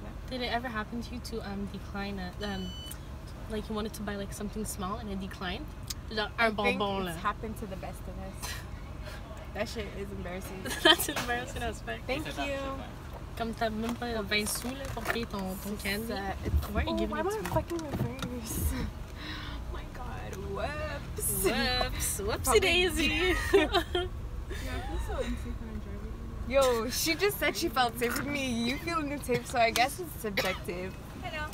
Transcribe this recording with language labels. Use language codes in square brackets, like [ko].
[en] Did it ever happen to you to decline a Like, you wanted to buy, like, something small and it declined? I think it's happened to the best of us. That shit is embarrassing. That's an embarrassing aspect. Thank you. [fr] Comme t'as même pas 20 sous là pour payer ton candy. [en] Why am I fucking reverse? Oh my god, whoops. Whoops, whoopsie daisy. Yeah, I feel so insecure in driving. Yo, she just said she felt safe with me. You feel in the tape, so I guess it's subjective. Hello.